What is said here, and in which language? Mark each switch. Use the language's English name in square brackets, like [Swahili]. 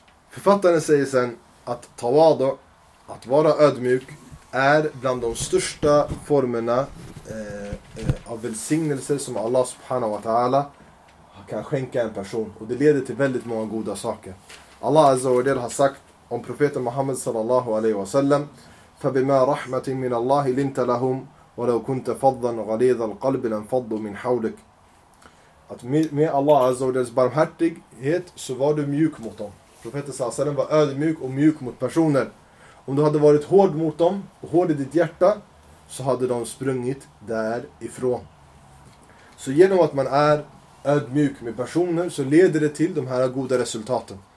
[Swedish] Författaren säger sen att tawadu, att vara ödmjuk, är bland de största formerna av välsignelser som Allah subhanahu wa ta'ala kan skänka en person. Och det leder till väldigt många goda saker. Allah azza wa jalla har sagt om profeten Muhammad sallallahu alaihi wa sallam, [Arabic] فَبِمَا رَحْمَةٍ مِنَ اللَّهِ لِنْتَ لَهُمْ وَلَوْ كُنْتَ فَضًّا غَلِيظَ الْقَلْبِ لَنْفَضُّ مِنْ حَوْلِكَ. [Swedish] Att med Allah azza wa jallas barmhärtighet så var du mjuk mot dem. Profeten sallallahu alaihi wa sallam var ödmjuk och mjuk mot personer. Om du hade varit hård mot dem och hård i ditt hjärta, så hade de sprungit därifrån. Så genom att man är ödmjuk med personer, så leder det till de här goda resultaten.